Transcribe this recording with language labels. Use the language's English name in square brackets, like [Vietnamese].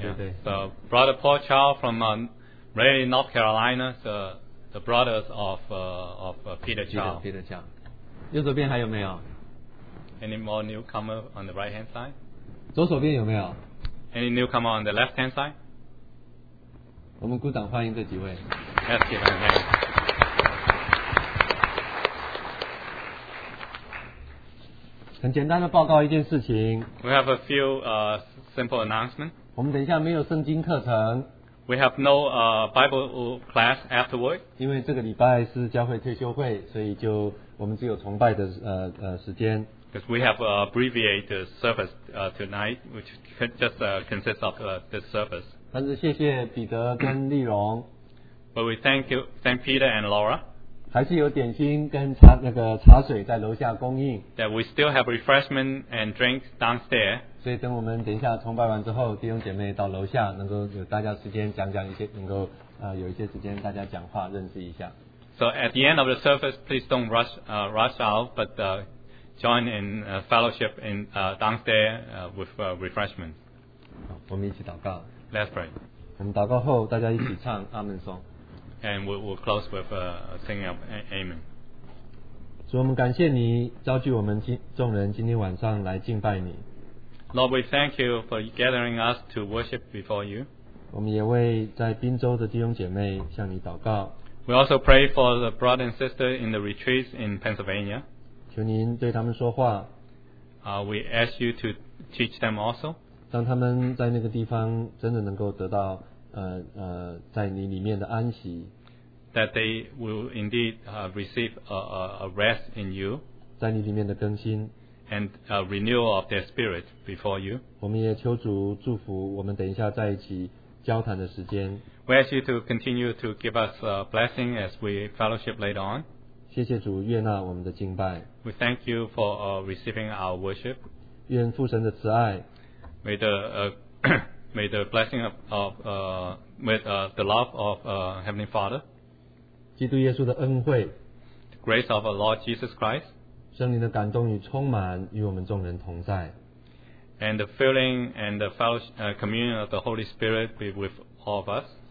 [English] Yeah, so brother Paul Chow from Raleigh, North Carolina, the brothers of Peter Chow. [Chinese] Peter Chow， 右手边还有没有 [English] ？Any more newcomer on the right hand side？ [Chinese] 左手边有没有 [English] ？Any newcomer on the left hand side？ [Chinese] 我们鼓掌欢迎这几位。 [English] Let's give them a hand. [Chinese] 很简单的报告一件事情。 [English] We have a few simple announcement. [Chinese] 我们等一下没有圣经课程。 [English] We have no Bible class afterward. [Chinese] 因为这个礼拜是教会退休会，所以就我们只有崇拜的时间。 [English] Because we have abbreviated service tonight, which just consists of this service. [Chinese] 但是谢谢彼得跟丽蓉。 [English] But we thank Peter and Laura. [Chinese] 还是有点心跟茶那个茶水在楼下供应。 [English] That we still have refreshment and drinks downstairs. [Chinese] 所以等我们等一下崇拜完之后，弟兄姐妹到楼下能够有大家时间讲一些，能够有一些时间大家讲话认识一下。 [English] So at the end of the service, please don't rush out, but join in fellowship in downstairs with refreshment. [Chinese] 好，我们一起祷告。 [English] Let's pray. [Chinese] 我们祷告后，大家一起唱阿门颂。 [English] And we'll close with singing of Amen. [Chinese] 主，我们感谢你召聚我们众人今天晚上来敬拜你。 [English] Lord, we thank you for gathering us to worship before you. [Chinese] 我们也为在宾州的弟兄姐妹向你祷告。 [English] We also pray for the brother and sister in the retreats in Pennsylvania. [Chinese] 求您对他们说话。 [English] We ask you to teach them also. [Chinese] 让他们在那个地方真的能够得到。在你里面的安息 [English] ，that they will indeed receive a rest in you， [Chinese] 在你里面的更新 [English] ，and a renewal of their spirit before you。 [Chinese] 我们也求主祝福我们等一下在一起交谈的时间。 [English] We ask you to continue to give us a blessing as we fellowship later on。 [Chinese] 谢谢主悦纳我们的敬拜。 [English] We thank you for receiving our worship。 [Chinese] 愿父神的慈爱 [English] ，may the May the blessing of the love of Heavenly Father, [Chinese] 基督耶稣的恩惠 [English] the grace of our Lord Jesus Christ, [Chinese] 圣灵的感动与充满与我们众人同在 [English] and the filling and the fellowship, communion of the Holy Spirit be with all of us,